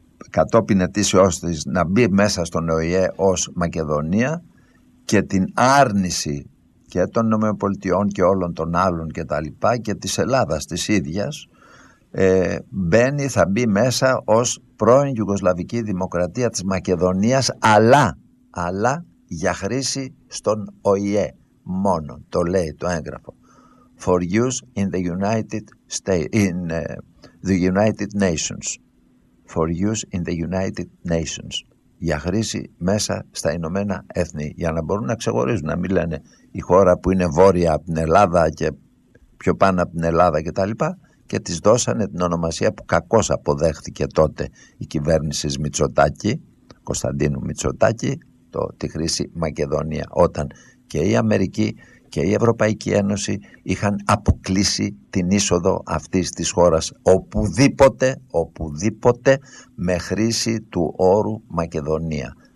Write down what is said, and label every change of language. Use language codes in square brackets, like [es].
[el] κατόπιν αιτήσεως της να μπει μέσα στον ΟΗΕ ως Μακεδονία και την άρνηση και των νομιοπολιτιών και όλων των άλλων και τα λοιπά και της Ελλάδας της ίδιας, μπαίνει, θα μπει μέσα ως πρώην Ιουγκοσλαβική Δημοκρατία της Μακεδονίας, αλλά για χρήση στον ΟΗΕ μόνο, το λέει το έγγραφο. [en] For use in the United States, in the United Nations. For use in the United Nations. [el] Για χρήση μέσα στα Ηνωμένα Έθνη. Για να μπορούν να ξεχωρίζουν, να μην λένε η χώρα που είναι βόρεια από την Ελλάδα και πιο πάνω από την Ελλάδα κτλ. Και της δώσανε την ονομασία που κακώς αποδέχτηκε τότε η κυβέρνηση Μητσοτάκη, Κωνσταντίνου Μητσοτάκη, τη χρήση Μακεδονία, όταν και η Αμερική και η Ευρωπαϊκή Ένωση είχαν αποκλείσει την είσοδο αυτής της χώρας οπουδήποτε με χρήση του όρου Μακεδονία.